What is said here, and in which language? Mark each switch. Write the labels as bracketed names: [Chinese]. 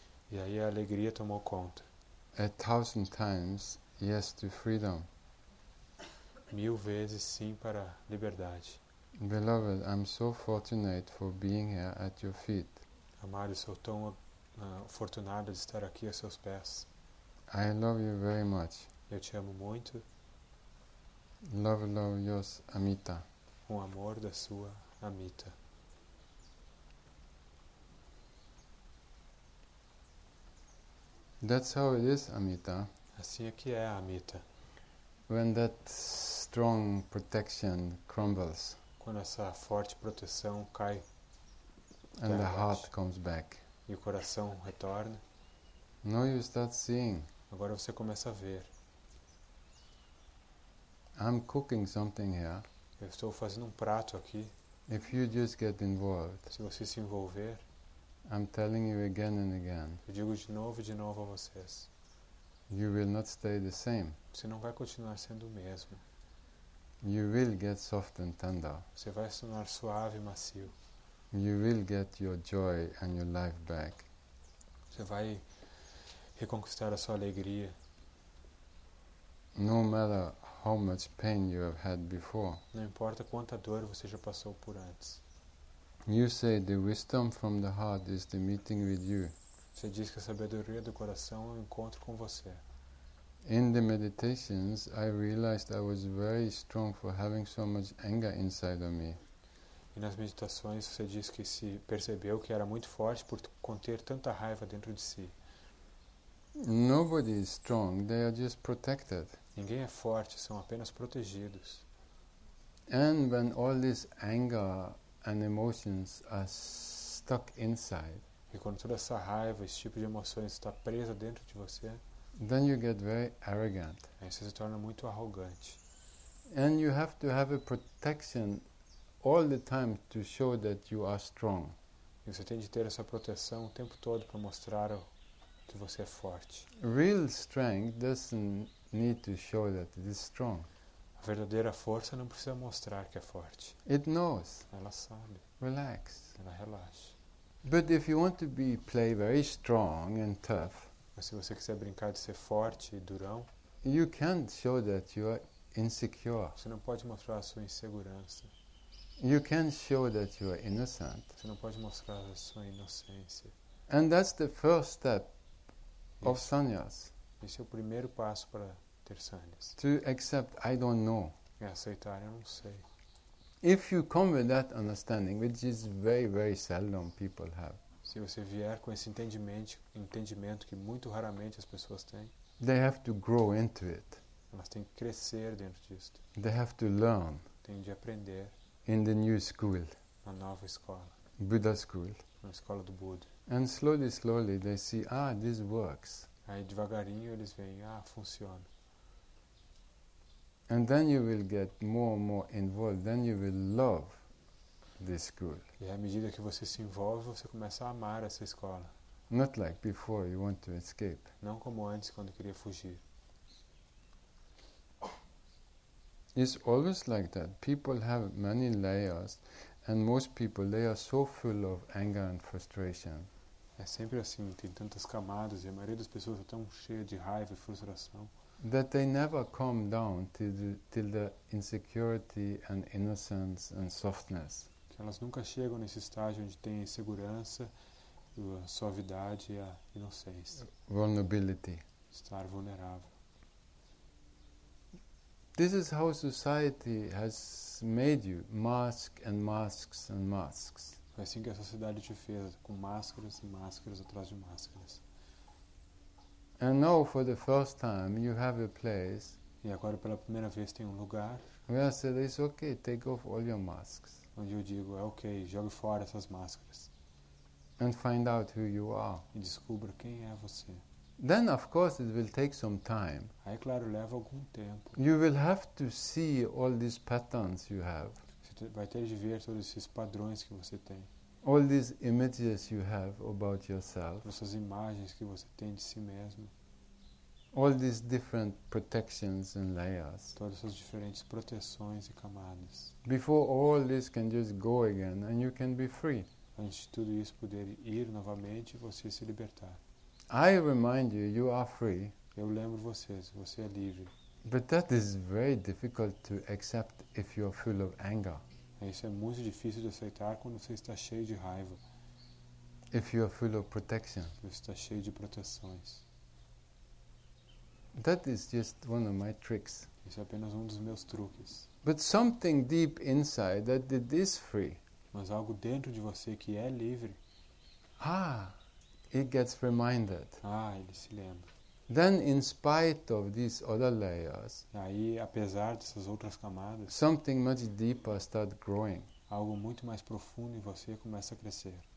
[Portuguese] E aí a alegria tomou conta. [English] 1,000 times yes to freedom. [Portuguese] Mil vezes sim para liberdade. [English] Beloved, I'm so fortunate for being here at your feet. [Portuguese] Amado, sou tão afortunado de estar aqui aos seus pés. [English] I love you very much. [Portuguese] Eu te amo muito. [English] Love, love yours, Amita. [Portuguese] Um amor da sua Amita. [English] That's how it is, Amita. [Portuguese] Assim é que é, Amita. [English] When that strong protection crumbles. [Portuguese] Quando essa forte proteção cai. [English] And the heart comes back. [Portuguese] E o coração retorna. [English] Now you start seeing. [Portuguese] Agora você começa a ver. [English] I'm cooking something here. [Portuguese] Eu estou fazendo um prato aqui. [English] If you just get involved. [Portuguese] Se você se envolver. [English] I'm telling you again and again. [Portuguese] Eu digo de novo e de novo a vocês. [English] You will not stay the same. [Portuguese] Você não vai continuar sendo o mesmo. [English] You will get soft and tender. [Portuguese] Você vai se tornar suave e macio. [English] You will get your joy and your life back. [Portuguese] Você vai reconquistar a sua alegria. [English] No matter how much pain you have had before. [Portuguese] Não importa quanta dor você já passou por antes. [English] You say the wisdom from the heart is the meeting with you. [Portuguese] Você diz que a sabedoria do coração é o encontro com você. [English] In the meditations, I realized I was very strong for having so much anger inside of me. [Portuguese] E nas meditações você diz que se percebeu que era muito forte por conter tanta raiva dentro de si. [English] Nobody is strong, they are just protected. [Portuguese] Ninguém é forte, são apenas protegidos. [English] And when all this anger and emotions are stuck inside, [Portuguese] e quando toda essa raiva, esse tipo de emoções está presa dentro de você, [English] then you get very arrogant. [Portuguese] Aí você se torna muito arrogante. [English] And you have to have a protection all the time to show that you are strong. [Portuguese] E você tem de ter essa proteção o tempo todo para mostrar que você é forte. [English] Real strength doesn't need to show that it is strong. [Portuguese] A verdadeira força não precisa mostrar que é forte. [English] It knows. [Portuguese] Ela sabe. [English] Relax. [Portuguese] Ela relaxa. [English] But if you want to be play very strong and tough, [Portuguese] mas se você quiser brincar de ser forte e durão, [English] you can't show that you are insecure. [Portuguese] Você não pode mostrar a sua insegurança. [English] You can't show that you are innocent. [Portuguese] Você não pode mostrar a sua inocência. [English] And that's the first step of sannyas. [Portuguese] Esse é o primeiro passo para ter sannyas. [English] To accept, I don't know. [Portuguese] É aceitar, eu não sei. [English] If you come with that understanding, which is very, very seldom people have, [Portuguese] se você vier com esse entendimento que muito raramente as pessoas têm, [English] they have to grow into it. [Portuguese] Elas têm que crescer dentro disto. [English] They have to learn. [Portuguese] Têm de aprender. [English] In the new school. [Portuguese] Na nova escola. [English] Buddha school. [Portuguese] Na escola do Buda. [English] And slowly, slowly, they see, ah, this works. [Portuguese] Aí devagarinho eles veem, ah, funciona. [English] And then you will get more and more involved. Then you will love this school. [Portuguese] E à medida que você se envolve, você começa a amar essa escola. [English] Not like before, you want to escape. [Portuguese] Não como antes, quando queria fugir. [English] It's always like that. People have many layers, and most people, they are so full of anger and frustration. [Portuguese] É sempre assim, tem tantas camadas, e a maioria das pessoas está tão cheia de raiva e frustração, [English] that they never calm down till the insecurity and innocence and softness. [Portuguese] Que elas nunca chegam nesse estágio onde tem a insegurança, a suavidade e a inocência. [English] Vulnerability. [Portuguese] Estar vulnerável. [English] This is how society has made you, masks and masks and masks. [Portuguese] Foi assim que a sociedade te fez, com máscaras e máscaras atrás de máscaras. [English] And now, for the first time, you have a place. [Portuguese] E agora pela primeira vez tem um lugar. [English] Where I said it's okay, take off all your masks. [Portuguese] Onde eu digo é ok, jogue fora essas máscaras. [English] And find out who you are. [Portuguese] E descubra quem é você. [English] Then, of course, it will take some time. [Portuguese] Aí claro, leva algum tempo. [English] You will have to see all these patterns you have. [Portuguese] Você vai ter de ver todos esses padrões que você tem. [English] All these images you have about yourself. [Portuguese] Essas imagens que você tem de si mesmo. [English] All these different protections and layers. [Portuguese] Todas essas diferentes proteções e camadas. [English] Before all this can just go again and you can be free. [Portuguese] Antes de tudo isso poder ir novamente e você se libertar. [English] I remind you, you are free. [Portuguese] Eu lembro vocês, você é livre. [English] But that is very difficult to accept if you are full of anger. [Portuguese] Isso é muito difícil de aceitar quando você está cheio de raiva. [English] If you are full of protection. [Portuguese] Você está cheio de proteções. [English] That is just one of my tricks. [Portuguese] Isso é apenas um dos meus truques. [English] But something deep inside that it is free. [Portuguese] Mas algo dentro de você que é livre. [English] Ah, it gets reminded. [Portuguese] Ah, ele se lembra. [English] Then, in spite of these other layers, [Portuguese] aí, apesar dessas outras camadas, [English] something much deeper starts growing. [Portuguese] Algo muito mais profundo em você começa a crescer.